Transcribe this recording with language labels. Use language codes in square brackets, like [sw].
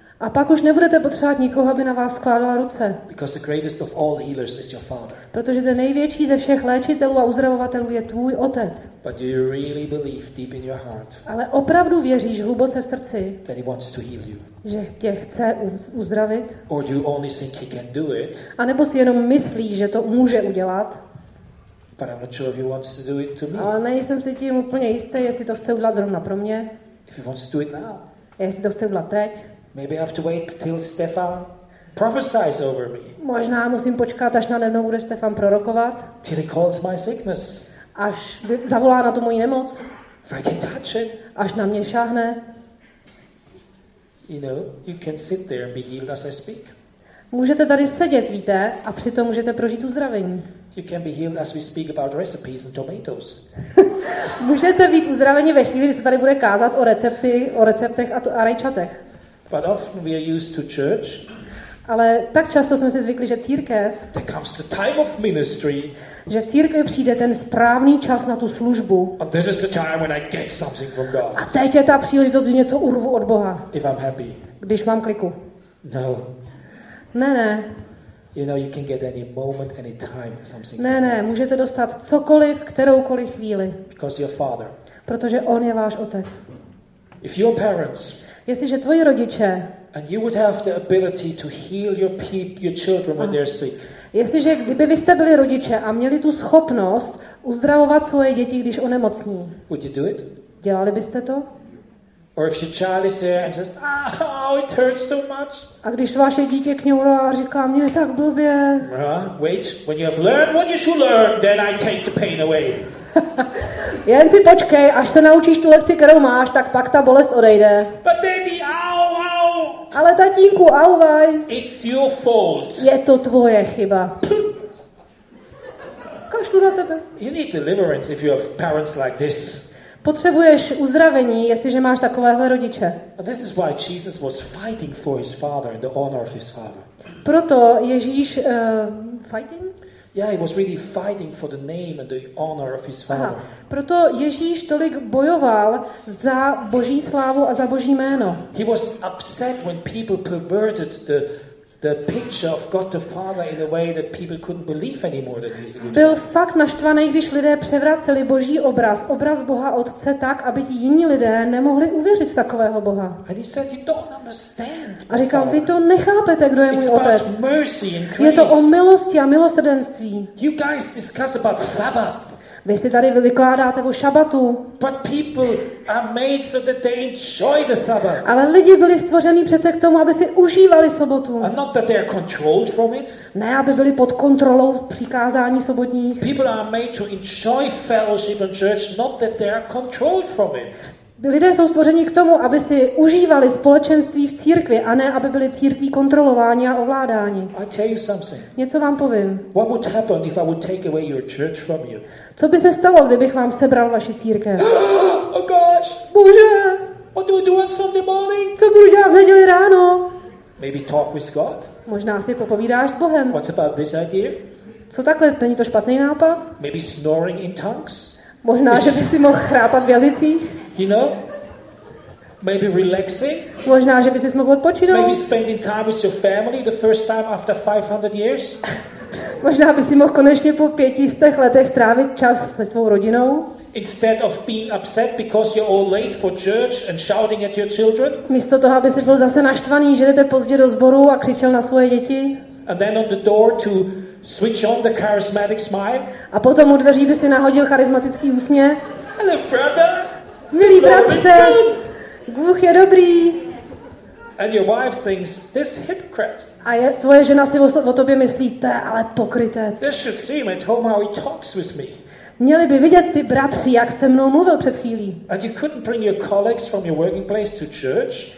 [cs] A pak už nebudete potřebovat nikoho, aby na vás skládala ruce. [en] Because the greatest of all healers is your father. [cs] Protože ten největší ze všech léčitelů a uzdravovatelů je tvůj otec. [en] But you really believe deep in your heart. [cs] Ale opravdu věříš hluboce v srdci, [en] that he wants to heal you. [cs] Že tě chce uzdravit? [en] Or you only think he can do it. [cs] A nebo si jenom myslíš, že to může udělat? [en] But I'm not sure if he wants to do it to me. [cs] Ale nejsem si tím úplně jistý, jestli to chce udělat zrovna pro mě. [en] If he wants to do it now. [cs] Jestli to chce udělat teď. [en] Maybe I have to wait till Stefan prophesies over me. [cs] Možná musím počkat, až na mnou bude Stefan prorokovat. [en] Till he calls my sickness. [cs] Až zavolá na tu moji nemoc. [en] If I can touch it. [cs] Až na mě šáhne. [en] You know, you can sit there and be healed as I speak. [cs] Můžete tady sedět, víte, a přitom můžete prožít uzdravení. [en] You can be healed as we speak about recipes and tomatoes. [cs] Můžete být uzdraveni ve chvíli, kdy se tady bude kázat o receptech a rajčatech. [en] But often we are used to church. [cs] Ale tak často jsme si zvykli, že církev. [en] There comes the time of ministry. [cs] Že v církvi přijde ten správný čas na tu službu. [en] And this is the time when I get something from God. [cs] A teď je ta příležitost, kdy něco urvu od Boha. [en] If I'm happy. [cs] Když mám kliku. [en] No. [cs] Ne. [en] You know, you can get any moment, any time something. [cs] Ne, můžete dostat cokoliv, kteroukoliv chvíli. [en] Because your father. [cs] Protože on je váš otec. [en] If your parents. [cs] Jestliže tvoji rodiče. [en] And you would have the ability to heal your children when they're sick. [cs] Jestliže kdyby vy jste byli rodiče a měli tu schopnost Uzdravovat svoje děti, když onemocní. [en] Would you do it? [cs] Dělali byste to? [en] Or if your child is there and says, "Oh, it hurts so much." [cs] A když vaše dítě kňourá a říká, mě je tak blbě. [en] Wait, when you have learned what you should learn, then I take the pain away. [cs] Jen si počkej, až se naučíš tu lekci, kterou máš, tak pak ta bolest odejde. [en] But daddy, ow, ow. [cs] Ale tatínku, au, vaj. [en] It's your fault. [cs] Je to tvoje chyba. Kašlu na tebe. [en] You need deliverance if you have parents like this. [cs] Potřebuješ uzdravení, jestliže máš takovéhle rodiče. [en] This is why Jesus was fighting for his father and the honor of his father. [cs] Proto Ježíš fighting? [en] Yeah, he was really fighting for the name and the honor of his father. [cs] Aha. Proto Ježíš tolik bojoval za Boží slávu a za Boží jméno. [en] He was upset when people perverted the picture of God the Father in a way that people couldn't believe anymore that he's the good. [cs] Byl fakt naštvaný, když lidé převraceli Boží obraz, obraz Boha Otce tak, aby ti jiní lidé nemohli uvěřit v takového Boha. [en] And he said, you don't understand. [cs] A říkal, vy to nechápete, kdo je [en] It's [cs] můj Otec. [en] Mercy and grace. [cs] Je to o milosti a milosrdenství. [en] You guys discuss about Sabbath. [cs] Vy si tady vykládáte o šabatu. [en] But people are made so that they enjoy the Sabbath. [cs] Ale lidi byli stvořeni přece k tomu, aby si užívali sobotu. [en] And not that they are controlled from it. [cs] Ne, aby byli pod kontrolou přikázání sobotních. [en] People are made to enjoy fellowship and church, not that they are controlled from it. [cs] Lidé jsou stvořeni k tomu, aby si užívali společenství v církvi, a ne aby byli církví kontrolováni a ovládáni. [en] I tell you something. [cs] Něco vám povím. [en] What would happen if I would take away your church from you? [cs] Co by se stalo, kdybych vám sebral vaši církev? [en] Oh gosh. [cs] Bože. [en] What do we do on Sunday morning? [cs] Co budu dělat v neděli ráno? [en] Maybe talk with God? [cs] Možná si popovídáš s Bohem. [en] What's about this idea? [cs] Co takhle, není to špatný nápad? [en] Maybe snoring in tongues? [cs] Možná, že by si mohl chrápat v jazycích? [en] You know? Maybe relaxing? [cs] Možná, že by si mohl odpočinout? [en] Maybe spending time with your family the first time after 500 years? [cs] Možná bys si mohl konečně po 500 letech strávit čas se svou rodinou. [en] Instead of being upset because you're all late for church and shouting at your children. [cs] Místo toho, aby si byl zase naštvaný, že jdete pozdě do sboru a křičel na svoje děti. [en] And then on the door to switch on the charismatic smile. [cs] A potom u dveří by si nahodil charismatický úsměv. [en] Hello, brother. [cs] Milý bratře. Bůh je dobrý. [en] And your wife thinks this hypocrite. [cs] A je, tvoje žena si o tobě myslí, to je ale pokrytec. [en] They should see him at home how he talks with me. [cs] Měli by vidět ty bratři, jak se mnou mluvil před chvílí. [en] And you couldn't bring your colleagues from your working place to church.